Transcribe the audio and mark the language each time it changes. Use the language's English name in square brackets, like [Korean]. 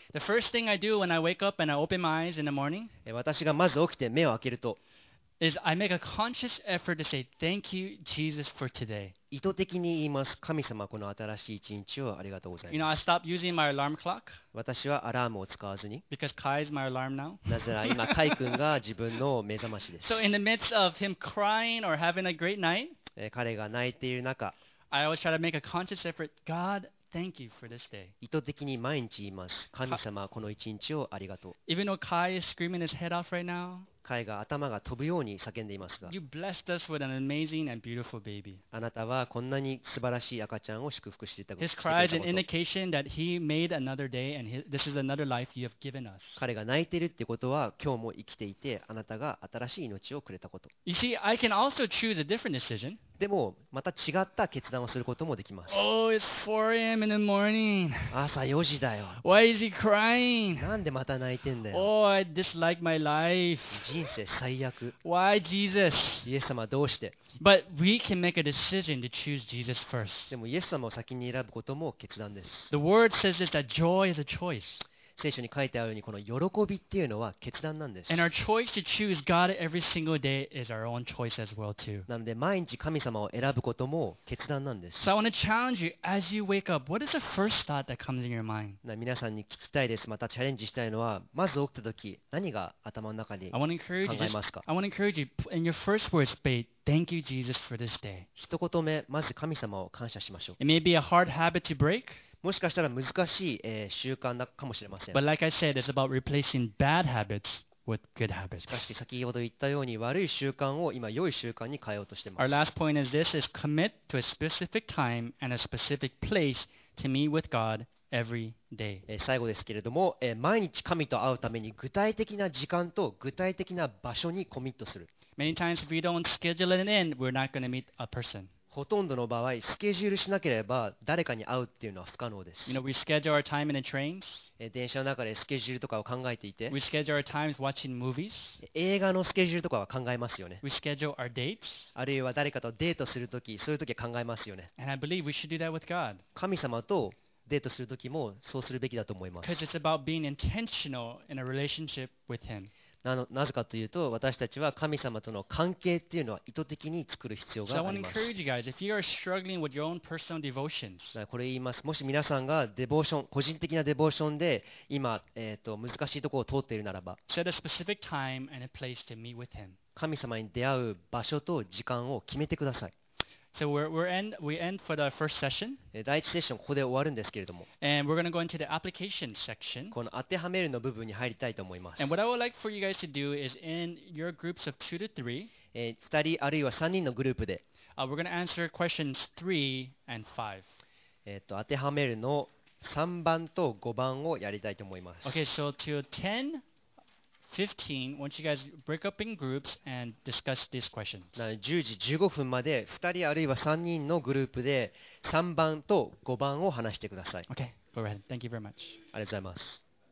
[English] The first thing I do when I wake up and I open my eyes in the morning, [Japanese] 私がまず起きて目を開けると、 [English] is I make a conscious effort to say thank you, Jesus, for today. [Japanese] 意図的に言います。神様、この新しい一日をありがとうございます。 [English] You know, I stop using my alarm clock. [Japanese] 私はアラームを使わずに。 [English] Because Kai is my alarm now. [Japanese] なぜなら今、Kai君が自分の目覚ましです。 [English] So in the midst of him crying or having a great night, [Japanese] 彼が泣いている中、意図的に毎日言います。神様、この一日をありがとう。 [English] Even though Kai is screaming his head off right now, [Japanese] 貝が頭が飛ぶように叫んでいますが [English] You blessed us with an amazing and beautiful baby. [Japanese] あなたはこんなに素晴らしい赤ちゃんを祝福していたこと [English] His cry is an indication that he made another day and this is another life you have given us. [Japanese] 彼が泣いているってことは今日も生きていてあなたが新しい命をくれたこと [English] You see, I can also choose a different decision. [Japanese] でもまた違った決断をすることもできます [English] Oh, it's 4 a.m. in the morning. [Japanese] 朝4時だよ [English] Why is he crying? [Japanese] なんでまた泣いてんだよ [English] Oh, I dislike my life. [Japanese] 人生最悪。 [English] Why Jesus? [Japanese] イエス様どうして [English] ？But we can make a decision to choose Jesus first. [Japanese] でもイエス様を先に選ぶことも決断です。 [English] The word says that joy is a choice. [Japanese] 聖書に書いてあるようにこの喜びっていうのは決断なんです。 [English] And our choice to choose God every single day is our own choice as well too. [Japanese] なので毎日神様を選ぶことも決断なんです。 [English] So I want to challenge you as you wake up. What is the first thought that comes in your mind? [Japanese] 皆さんに聞きたいです。またチャレンジしたいのはまず起きた時何が頭の中に考えますか [English] ？I want to encourage you in your first words, babe. Thank you, Jesus, for this day. [Japanese] 一言目、まず神様を感謝しましょう。 [English] It may be a hard habit to break. [Japanese] もしかしたら難しい、習慣だかもしれません。 [English] But like I said, it's about replacing bad habits with good habits. [Japanese] しかし先ほど言ったように悪い習慣を今良い習慣に変えようとしています。 [English] Our last point is this, is commit to a specific time and a specific place to meet with God every day. [Japanese] 最後ですけれども、毎日神と会うために具体的な時間と具体的な場所にコミットする。 [English] Many times if we don't schedule it in, we're not going to meet a person. [Japanese] ほとんどの場合、スケジュールしなければ誰かに会うっていうのは不可能です。 [English] You know, we schedule our time in the trains. [Japanese] 電車の中でスケジュールとかを考えていて。 [English] We schedule our times watching movies. [Japanese] 映画のスケジュールとかは考えますよね。 [English] We schedule our dates. [Japanese] あるいは誰かとデートするとき、そういうときは考えますよね。 [English] And I believe we should do that with God. [Japanese] 神様とデートするときもそうするべきだと思います。 [English] Because it's about being intentional in a relationship with Him. [Japanese] なぜかというと私たちは神様との関係っていうのは意図的に作る必要があります。これ言います。もし皆さんがデボーション、個人的なデボーションで今、難しいところを通っているならば、 [English] Set a specific time and a place to meet with him. [Japanese] 神様に出会う場所と時間を決めてください。 [English] So we end for the first session. [Japanese] 第一セッションここで終わるんですけれども。 [English] And we're going to go into the application section. [Japanese] この当てはめるの部分に入りたいと思います。 [English] And what I would like for you guys to do is in your groups of 2 to 3. [Japanese] 2人あるいは3人のグループで。 [English] We're going to answer questions 3 and 5. [Japanese] 当てはめるの3番と5番をやりたいと思います。 [English] Okay, so to 10. 15, I want you guys to break up in groups and discuss this question. [Japanese] 10時15分まで2人あるいは3人のグループで3番と5番を話してください。 [English] Okay, go ahead. Thank you very much. [Japanese] ありがとうございます。